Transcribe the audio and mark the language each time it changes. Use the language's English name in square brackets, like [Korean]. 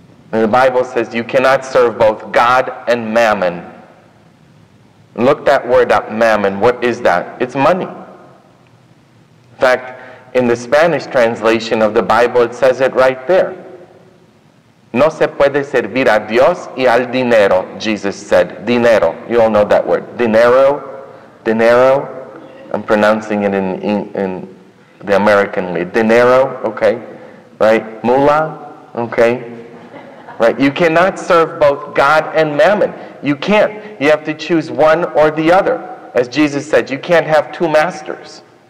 [English] And the Bible says you cannot serve both God and mammon. Look that word up, mammon. What is that? It's money. In fact, in the Spanish translation of the Bible, it says it right there. [Spanish] No se puede servir a Dios y al dinero, [English] Jesus said. [Spanish] Dinero. [English] You all know that word. Dinero. Dinero. I'm pronouncing it in the American way. [Spanish] Dinero. [English] Okay. Right. Mula. Okay. Right. You cannot serve both God and mammon. You can't. You have to choose one or the other. As Jesus said, you can't have two masters.